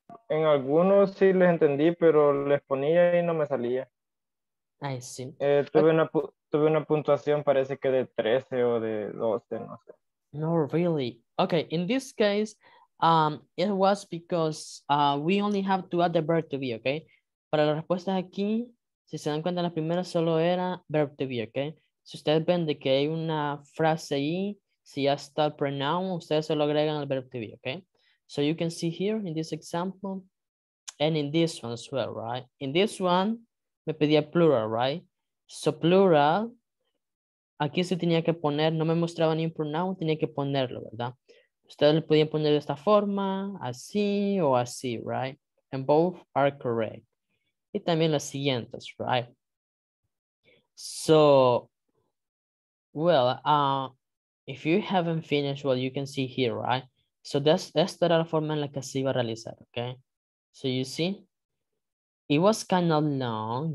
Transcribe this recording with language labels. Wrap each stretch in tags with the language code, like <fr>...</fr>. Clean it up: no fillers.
<es>En algunos sí les entendí, pero les ponía y no me salía. Ay, sí. Tuve una puntuación, parece que de 13 o de 12, no sé.</es> <en>No, really. Okay, in this case, it was because we only have to add the verb to be, okay?</en> <es>Para las respuestas aquí, si se dan cuenta, la primera solo era verb to be, okay? Si ustedes ven de que hay una frase ahí, si ya está el pronoun, ustedes solo agregan el verb to be, okay?</es> <en>So you can see here in this example and in this one as well, right? In this one,</en> <es>me pedía plural,</es> <en>right?</en> <es>So plural, aquí se tenía que poner, no me mostraba ni un pronoun, tenía que ponerlo, ¿verdad? Ustedes le podían poner de esta forma, así o así,</es> <en>right? And both are correct.</en> <es>Y también las siguientes,</es> <en>right? So, well, if you haven't finished what you can see here, right? So that's,</en> <es>esta era la forma en la que se iba a realizar,</es> <en>okay? So you see, it was kind of long.</en>